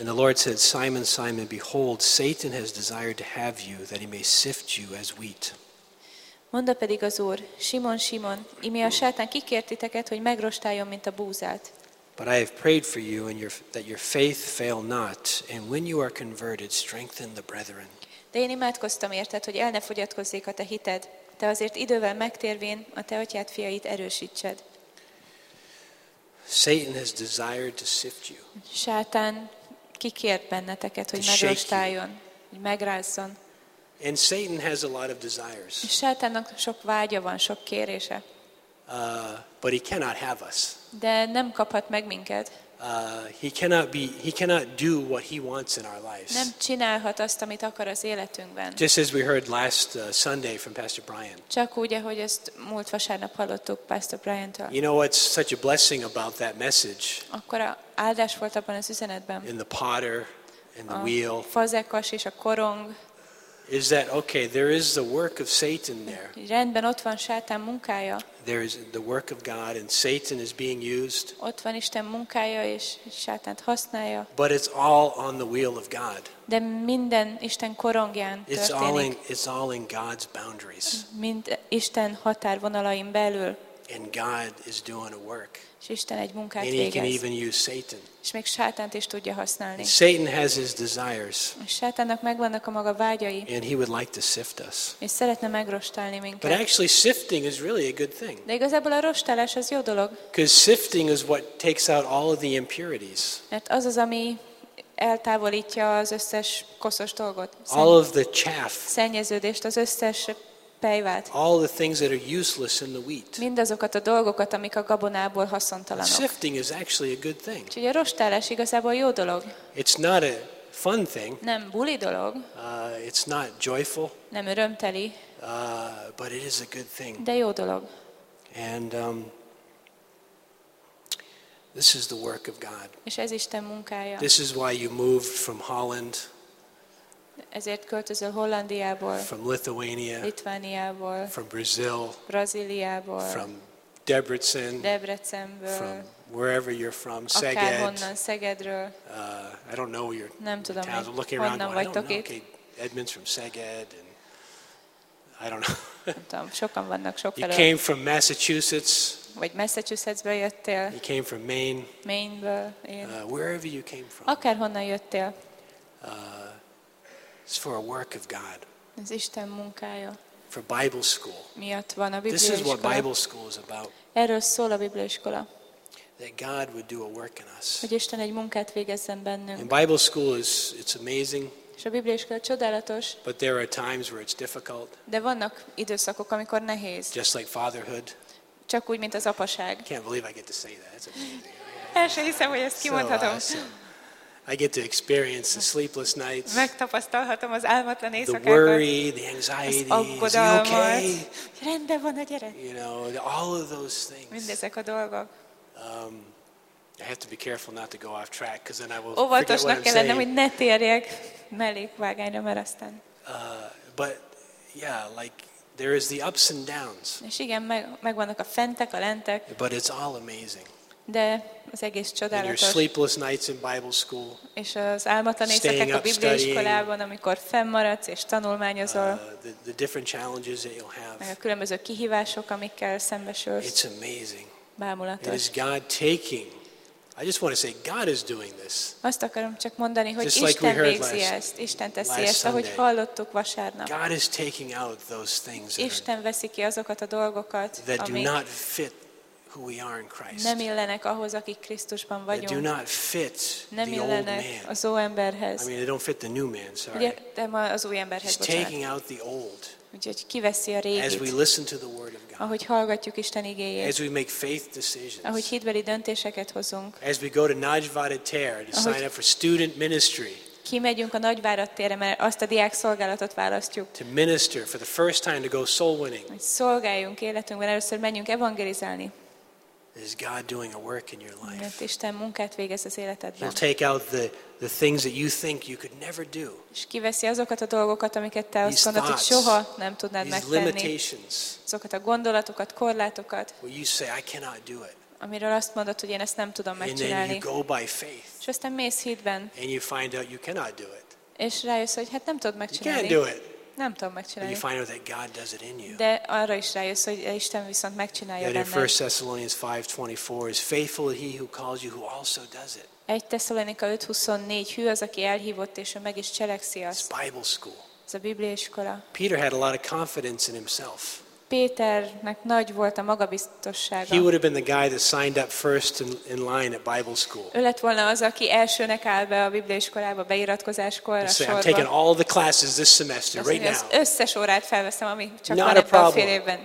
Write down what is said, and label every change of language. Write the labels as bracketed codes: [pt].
[en] And the Lord said, Simon, Simon, behold, Satan has desired to have you, that he may sift you as wheat. [hu] Mondta pedig az Úr, Simon, Simon, íme a sátán kikért titeket, hogy megrostáljon, mint a búzát. [en] But I have prayed for you and that your faith fail not, and when you are converted, strengthen the brethren. [hu] De én imádkoztam érted, hogy el ne fogyatkozzék a te hited, te azért idővel megtérvén a te atyád fiait erősítsed. [en] Satan has desired to sift you. [hu] Sátán kikért benneteket, hogy megrostáljon, hogy megrázzon. [en] And Satan has a lot of desires. [hu] Sátánnak sok vágya van, sok kérése. [en] But he cannot have us. [hu] De nem kaphat meg minket. [en] He cannot do what he wants in our lives. [hu] Nem csinálhat azt, amit akar az életünkben. [en] Just as we heard last Sunday from Pastor Brian. [hu] Csak úgy, ahogy ezt múlt vasárnap hallottuk Pastor Brian-től. [en] You know what's such a blessing about that message? [hu] Akkora áldás volt abban az üzenetben. [en] In the potter and the wheel. [hu] A fazekas és a korong. [en] Is that okay? There is the work of Satan there. [hu] Rendben, ott van Sátán munkája. [en] There is the work of God and Satan is being used. [hu] Ott van Isten munkája és Sátánt használja. [en] But it's all on the wheel of God. [hu] De minden Isten korongján történik. [en] It's all in God's boundaries. [hu] Mind Isten határvonalain belül. [en] And God is doing a work. [hu] És Isten egy munkát végez. [en] And he can even use Satan. [hu] És még Sátánt is tudja használni. [en] And Satan has his desires. [hu] És Sátánnak megvannak a maga vágyai. [en] And he would like to sift us. [hu] És szeretne megrostálni minket. [en] But actually sifting is really a good thing. [hu] De igazából a rostálás az jó dolog. [en] Because sifting is what takes out all of the impurities. [hu] Mert az az, ami eltávolítja az összes koszos dolgot. [en] All of the chaff. [hu] Szennyeződést, az összes pejvát. [en] All the things that are useless in the wheat. [hu] Mindazokat a dolgokat, amik a gabonából haszontalanok. [en] Sifting is actually a good thing. [hu] Úgyhogy a rostálás igazából jó dolog. [en] It's not a fun thing. [hu] Nem buli dolog. [en] It's not joyful. [hu] Nem örömteli. [en] But it is a good thing. [hu] De jó dolog. [en] And this is the work of God. [hu] És ez Isten munkája. [en] This is why you moved from Holland. [hu] Ezért költözöl Hollandiából, [en] from Lithuania, [hu] Litvániából, [en] from Brazil, [hu] Brazíliából, [en] from Debrecen, [hu] Debrecenből, [en] from wherever you're from, Szeged, [hu] akárhonnan, Szegedről. [en] I don't know your [hu] nem tudom, [en] towns. I'm looking around. Going, I don't know. Okay, Edmund's from Szeged, and I don't know. [hu] Nem tudom, sokan vannak sokfelől. [en] You came from Massachusetts. [hu] Vagy Massachusettsből jöttél. [en] You came from Maine. [hu] Maineből. [en] Wherever you came from. [hu] Akárhonnan jöttél. [en] It's for a work of God. [hu] Ez Isten munkája. [en] For Bible school. [hu] Miatt van a Biblia iskola. [en] This is what Bible school is about. [hu] Erről szól a Biblia iskola. [en] That God would do a work in us. [hu] Hogy Isten egy munkát végezzen bennünk. [en] And Bible school it's amazing. [hu] És a Biblia iskola csodálatos. [en] But there are times where it's difficult. [hu] De vannak időszakok, amikor nehéz. [en] Just like fatherhood. [hu] Csak úgy, mint az apaság. [en] Can't believe I get to say that. It's amazing. [hu] El sem hiszem, hogy ezt kimondhatom. [en] I get to experience the sleepless nights. [hu] Megtapasztalhatom az álmatlan éjszakákat. [en] The worry, the anxiety. [hu] Az aggodalmat. Okay? Rendben van a gyerek. [en] You know, all of those things. [hu] Mindezek a dolgok. [en] I have to be careful not to go off track, because then I will forget what I'm saying. [hu] Óvatosnak kellene, hogy ne térjek mellékvágányra, mert aztán. [en] But yeah, like there is the ups and downs. [hu] És igen, megvannak a fentek, a lentek. [en] But it's all amazing. [hu] De az egész csodálatos. [en] And your sleepless nights in Bible school. [hu] És az álmatlan éjszakák a Biblia iskolában, amikor fennmaradsz és tanulmányozol. [en] The different challenges that you'll have. [hu] Meg a különböző kihívások, amikkel szembesülsz. [en] It's amazing. [hu] Bámulatos. [en] It is God taking I just want to say God is doing this. [hu] Azt akarom csak mondani, hogy Isten végzi ezt, Isten teszi ezt, ahogy hallottuk vasárnap. [en] God is taking out those things. [hu] Isten veszi ki azokat a dolgokat, [en] that do not fit who we are in Christ. [hu] Nem illenek ahhoz, akik Krisztusban vagyunk. [en] They do not fit [hu] nem illenek az új emberhez. [en] I mean, they don't fit the new man, sorry. [hu] De az új emberhez. [en] He's taking out the old. [hu] Úgyhogy kiveszi a régit. [en] As we listen to the word of God. [hu] Ahogy hallgatjuk Isten igéjét. [en] As we make faith decisions. [hu] Ahogy hitbeli döntéseket hozunk. [en] As we go to Nagyvárad tér to sign up for student ministry. [hu] Kimegyünk a Nagyvárad térre, mert azt a diák szolgálatot választjuk. [en] To minister for the first time to go soul winning. [hu] Szolgáljunk életünkben, először menjünk evangelizálni. [en] Is God doing a work in your life? [hu] Mert Isten munkát végez az életedben. [en] He'll take out the things that you think you could never do. [hu] És kiveszi azokat a dolgokat, amiket te azt gondolod, hogy soha nem tudnád megtenni. [en] Limitations. [hu] Azokat a gondolatokat, korlátokat. [en] Well, you say I cannot do it. [hu] Amiről azt mondod, hogy én ezt nem tudom megcsinálni. [en] And then you go by faith. [hu] És aztán mész hitben. [en] And you find out you cannot do it. [hu] És rájössz, hogy hát nem tudod megcsinálni. [en] You can't do it. [hu] Nem tudom megcsinálni. [en] But you find out that God does it in you. [hu] De arra is rájössz, hogy Isten viszont megcsinálja [en] That in 1 Thessalonians 5:24 is faithful he who calls you who also does it. [hu] 1 Thessalonika 5:24 hű az, aki elhívott és ő meg is cselekszi azt. [en] It's Bible school. [hu] Ez a Biblia iskola. [en] Peter had a lot of confidence in himself. [hu] Péternek nagy volt a magabiztossága. [en] He would have been the guy that signed up first in line at Bible school. [hu] Ő lett volna az, aki elsőnek áll be a bibliaiskolába beiratkozáskor. [en] Say, I'm taking all the classes this semester, right now. [hu] Összes órát felveszem, ami csak van ebben a fél évben.